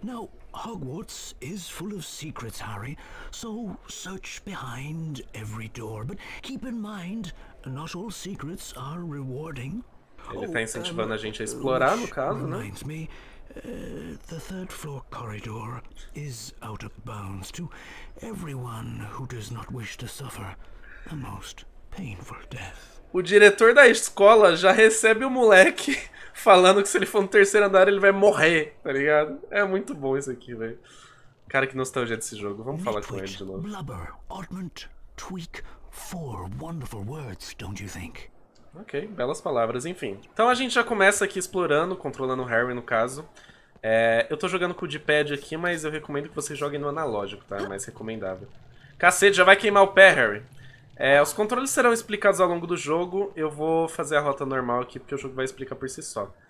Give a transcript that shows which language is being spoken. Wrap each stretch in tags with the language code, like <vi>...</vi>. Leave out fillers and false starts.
<en>Now, Hogwarts is full of secrets, Harry, so search behind every door. But keep in mind, not all secrets are rewarding.</en> <pt>Ele tá incentivando a gente a explorar, no caso, né?</pt> <en>Me, the third floor corridor is out of bounds to everyone who does not wish to suffer a most painful death.</en> <pt>O diretor da escola já recebe o moleque falando que se ele for no terceiro andar ele vai morrer, tá ligado? É muito bom isso aqui, velho. Cara, que nostalgia desse jogo. Vamos falar com ele de novo.</pt> <en>Blubber, oddment, tweak, four wonderful words, don't you think?</en> <pt>Ok, belas palavras, enfim. Então a gente já começa aqui explorando, controlando o Harry, no caso. Eu tô jogando com o D-pad aqui, mas eu recomendo que vocês joguem no analógico, tá? É mais recomendável. Cacete, já vai queimar o pé, Harry. Os controles serão explicados ao longo do jogo. Eu vou fazer a rota normal aqui, porque o jogo vai explicar por si só.</pt>